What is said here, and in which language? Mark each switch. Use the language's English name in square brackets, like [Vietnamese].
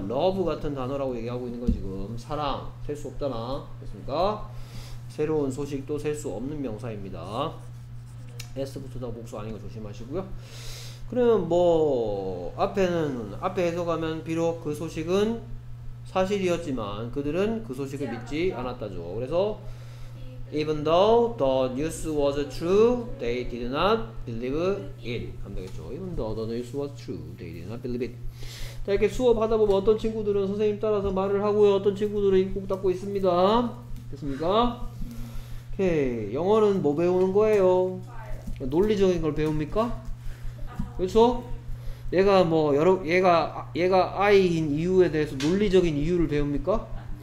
[Korean] 러브 같은 단어라고 얘기하고 있는 거 지금. 사랑 셀 수 없잖아. 됐습니까? 새로운 소식도 셀 수 없는 명사입니다. S부터 다 복수 아닌 거 조심하시고요. 그러면 뭐 앞에 해석하면 비록 그 소식은 사실이었지만 그들은 그 소식을 믿지 않았다죠. 그래서 [English] even though the news was true, they did not believe it. [Korean] 하면 되겠죠. [English] Even though the news was true, they did not believe it. [Korean] 자, 이렇게 수업하다 보면 어떤 친구들은 선생님 따라서 말을 하고요. 어떤 친구들은 입꼭 닫고 있습니다. 됐습니까? 오케이. 영어는 뭐 배우는 거예요? 논리적인 걸 배웁니까? 그렇죠? 얘가 뭐 여러 얘가 I인 이유에 대해서 논리적인 이유를 배웁니까?